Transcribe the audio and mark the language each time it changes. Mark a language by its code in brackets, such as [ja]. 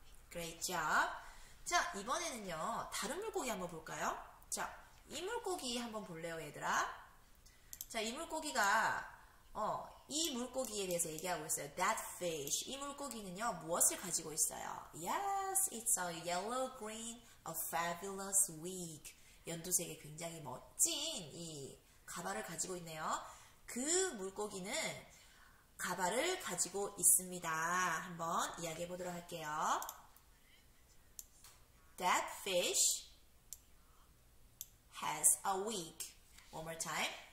[en] Great job. [ko] 자, 이번에는요. 다른 물고기 한번 볼까요? 자, 이 물고기 한번 볼래요, 얘들아? 자, 이 물고기가 이 물고기에 대해서 얘기하고 있어요. [en] That fish. [ko] 이 물고기는요. 무엇을 가지고 있어요? [en] Yes, it's a yellow green, a fabulous wig. [ko] 연두색의 굉장히 멋진 이 가발을 가지고 있네요. 그 물고기는 가발을 가지고 있습니다. 한번 이야기해 보도록 할게요. [en] That fish has a wig. One more time.